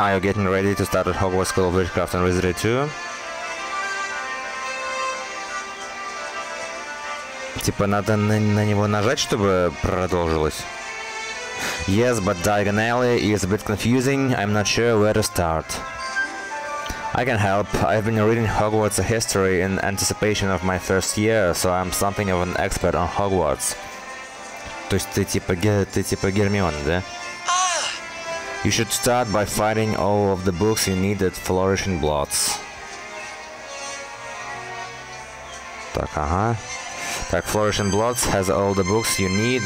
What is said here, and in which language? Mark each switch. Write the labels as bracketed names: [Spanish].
[English] Are you getting ready to start at Hogwarts School of Witchcraft and Wizardry 2? [Russian] Типа, надо на него нажать, чтобы продолжилось. [English] Yes, but diagonally is a bit confusing. I'm not sure where to start. I can help. I've been reading Hogwarts history in anticipation of my first year, so I'm something of an expert on Hogwarts. [Russian] То есть ты типа Гермиона, да? [English] You should start by finding all of the books you need at Flourishing Blots. [Russian] Так, ага. Так, [English] Flourishing Blots has all the books you need.